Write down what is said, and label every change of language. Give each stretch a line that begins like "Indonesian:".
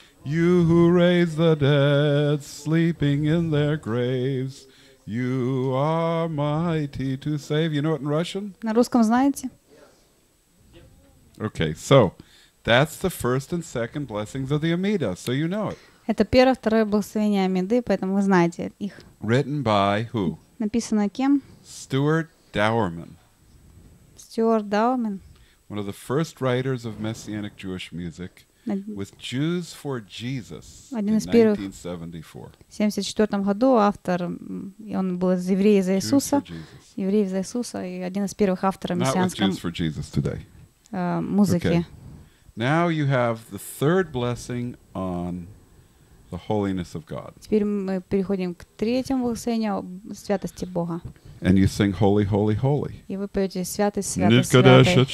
English: You who raise the dead sleeping in their graves. You are mighty to save. You know it in Russian?
Russian: На русском знаете?
English: Okay, so that's the first and second blessings of the Амида, so you know it.
Russian: Это первое, второе благословение Амиды, поэтому вы знаете их.
English: Written by who?
Russian: Написано кем?
English: Stuart Dowerman. Stuart Dowerman. One of the first writers of Messianic Jewish music. with Jews for Jesus in 1974.
Russian: Один из первых. 1974 году автор, и он был за евреев, и один из первых авторов мессианской музыки.
English: Now you have the third blessing on the holiness of God.
Russian: Теперь мы переходим к третьему благословению святости Бога.
English: And you sing holy, holy, holy.
Russian: И вы поете святый, святый, святый.